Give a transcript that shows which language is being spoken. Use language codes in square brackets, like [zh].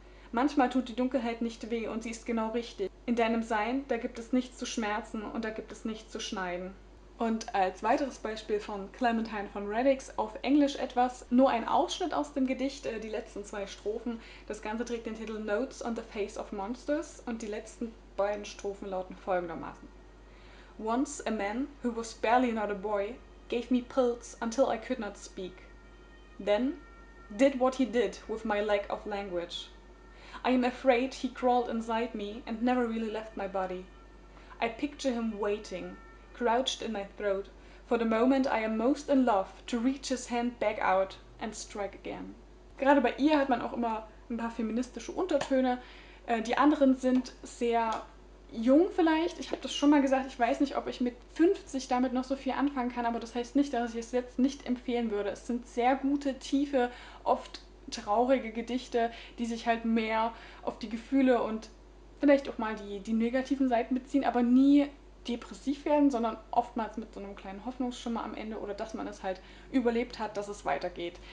[de] Manchmal tut die Dunkelheit nicht weh und sie ist genau richtig. In deinem Sein, da gibt es nichts zu schmerzen und da gibt es nichts zu schneiden. Und als weiteres Beispiel von Clementine von Radix auf Englisch etwas, nur ein Ausschnitt aus dem Gedicht, die letzten 2 Strophen. Das Ganze trägt den Titel Notes on the Face of Monsters und die letzten beiden Strophen lauten folgendermaßen. [en] Once a man who was barely not a boy gave me pills until I could not speak. Then did what he did with my lack of language. I am afraid he crawled inside me and never really left my body. I picture him waiting. Crouched in my throat, for the moment I am most in love to reach his hand back out and strike again. [de] Gerade bei ihr hat man auch immer ein paar feministische Untertöne. Die anderen sind sehr jung vielleicht. Ich habe das schon mal gesagt, ich weiß nicht, ob ich mit 50 damit noch so viel anfangen kann, aber das heißt nicht, dass ich es jetzt nicht empfehlen würde. Es sind sehr gute, tiefe, oft traurige Gedichte, die sich halt mehr auf die Gefühle und vielleicht auch mal die negativen Seiten beziehen, aber nie depressiv werden, sondern oftmals mit so einem kleinen Hoffnungsschimmer am Ende oder dass man es halt überlebt hat, dass es weitergeht.